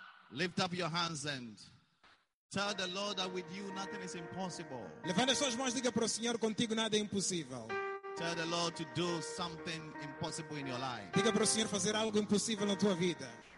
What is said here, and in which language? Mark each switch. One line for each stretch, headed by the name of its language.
English: Lift up your hands and tell the Lord that with you nothing is impossible.
Portuguese: Levanta suas mãos, diga para o Senhor, contigo nada é impossível.
English: Tell the Lord to do something impossible in your life.
Portuguese: Diga para o Senhor fazer algo impossível na tua vida.